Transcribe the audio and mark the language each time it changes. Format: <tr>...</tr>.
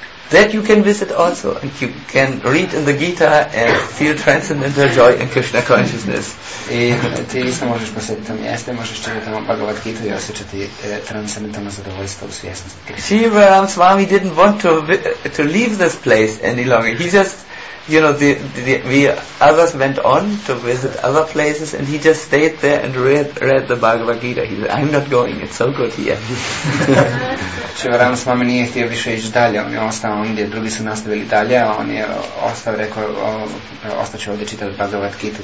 <en>That you can visit also, and you can read in the Gita and feel transcendental joy in Krishna consciousness.</en> <hr>I ti isto možeš posjetiti tamo mjesto, možeš čitati tamo Bhagavad Gita i osjećati transcendentalno zadovoljstvo u svjesnosti Krishna.</hr> <en>Shiva Ram Swami didn't want to leave this place any longer. He just, you know, the others went on to visit other places, and he just stayed there and read the Bhagavad Gita. He said, "I'm not going. It's so good here."</en> <hr>Shiva Ram Swami nije htio više ići dalje. On je ostao ondje. Drugi su nastavili dalje, a on je ostao, rekao, ostaće ovdje čitati Bhagavad Gita.</hr>